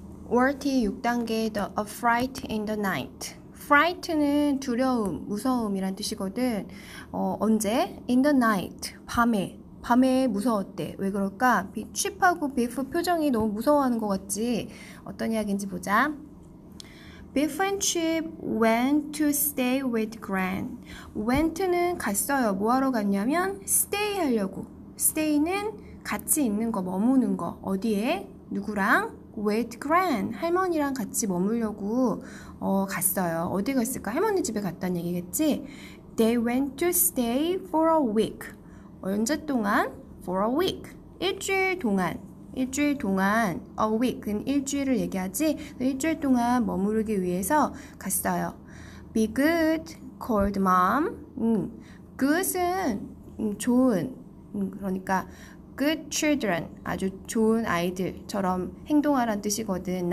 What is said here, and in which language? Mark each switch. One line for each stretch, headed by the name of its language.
English: Worthy 6단계 The Affright in the Night.
Korean: Fright는 두려움, 무서움이란 뜻이거든. 언제?
English: In the night.
Korean: 밤에. 밤에 무서웠대. 왜 그럴까? 쉽하고 비프 표정이 너무 무서워하는 것 같지? 어떤 이야기인지 보자.
English: Biff and Chip went to stay with Gran.
Korean: Went는 갔어요. 뭐 하러 갔냐면 stay 하려고. Stay는 같이 있는 거, 머무는 거. 어디에? 누구랑?
English: With Gran.
Korean: 할머니랑 같이 머물려고 갔어요. 어디 갔을까? 할머니 집에 갔다는 얘기겠지?
English: They went to stay for a week.
Korean: 언제 동안?
English: For a week.
Korean: 일주일 동안. 일주일 동안, a week은 일주일을 얘기하지. 일주일 동안 머무르기 위해서 갔어요.
English: Be good, called mom.
Korean: Good은 좋은, 그러니까
English: good children,
Korean: 아주 좋은 아이들처럼 행동하란 뜻이거든.